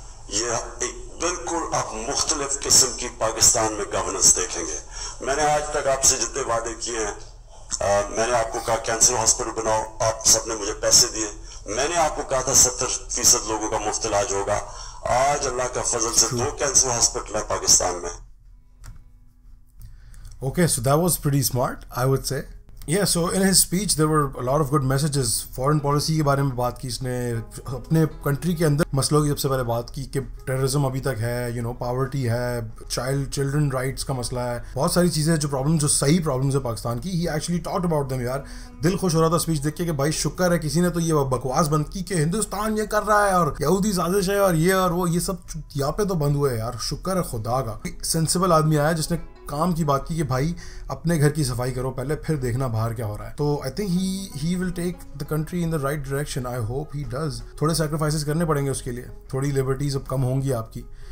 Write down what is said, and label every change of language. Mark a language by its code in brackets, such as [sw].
[ur] یہ ایک بالکل آپ مختلف قسم کی پاکستان میں گورننس دیکھیں گے میں نے آج تک آپ سے جتنے وعدے کیے ہیں میں نے آپ کو کہا کینسر ہاسپٹل بناؤ آپ سب نے مجھے پیسے دیے میں نے آپ کو کہا تھا 70% لوگوں کا مفت علاج ہوگا آج اللہ کا فضل سے دو کینسر ہاسپٹل ہیں پاکستان میں [en] Okay so that was pretty smart I would say Yeah, so in his speech, there were a lot of good messages. [ur] Foreign policy کے بارے میں بات کی اس نے اپنے کنٹری کے اندر مسئلوں کی سب سے پہلے بات کی کہ ٹیررزم ابھی تک ہے [en] you know [ur] پاورٹی ہے چائلڈ چلڈرن رائٹس کا مسئلہ ہے بہت ساری چیزیں جو پرابلم جو صحیح پرابلمس ہیں پاکستان کی ہی [en] actually talked about them [ur] یار دل خوش ہو رہا تھا اسپیچ دیکھ کے کہ بھائی شکر ہے کسی نے تو یہ بکواس بند کی کہ ہندوستان یہ کر رہا ہے اور یہودی سازش ہے اور یہ اور وہ یہ سب یہاں پہ تو بند ہوئے یار شکر ہے خدا کا سینسیبل آدمی آیا جس نے کام کی بات کی کہ بھائی اپنے گھر کی صفائی کرو پہلے پھر دیکھنا باہر کیا ہو رہا ہے تو [en] I think he will take the country in the right direction I hope he does [ur] تھوڑے سیکریفائسز کرنے پڑیں گے اس کے لیے تھوڑی لبرٹیز اب کم ہوں گی آپ کی